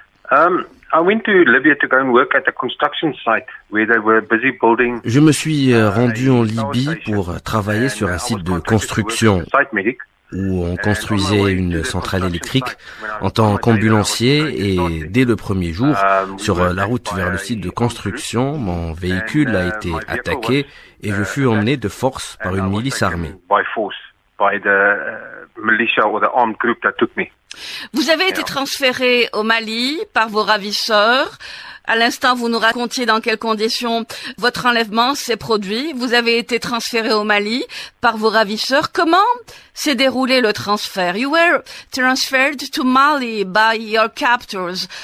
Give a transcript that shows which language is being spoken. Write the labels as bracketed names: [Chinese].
[English] I went to Libya to go and work at a construction site where they were busy building. [French] Je me suis rendu en Libye pour travailler sur un site de construction où on construisait une centrale électrique en tant qu'ambulancier, et dès le premier jour, sur la route vers le site de construction, mon véhicule a été attaqué et je fus emmené de force par une milice armée. [English] By the militia or the armed group that took me. [French] Vous avez été transféré au Mali par vos ravisseurs. À l'instant, vous nous racontiez dans quelles conditions votre enlèvement s'est produit. Vous avez été transféré au Mali par vos ravisseurs. Comment s'est déroulé le transfert? [English] You were transferred to Mali by your captors.